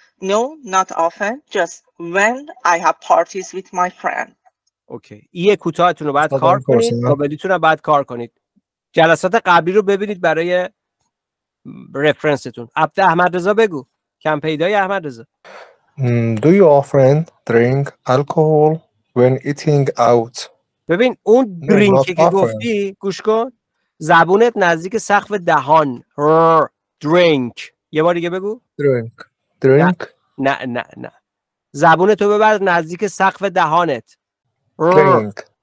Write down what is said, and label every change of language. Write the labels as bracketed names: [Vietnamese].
[English] No, not often. Just when I have parties with my friend. Okay. [Persian] یه کوتاهتون رو بعد کار کنید. کمدیتون رو بعد کار کنید. جلسات قبلی رو ببینید برای رفرنستون. عبد احمد رضا بگو. کم پیدای احمد رضا. [English] Do you often drink alcohol when eating out? [Persian] ببین اون درینکی که گفتی گوش کن. زبونت نزدیک سقف دهان. Drink. یه بار دیگه بگو. [English] Drink. Drink. [Persian] نه نه نه. زبونت رو ببر نزدیک سقف دهانت. [English] Drink.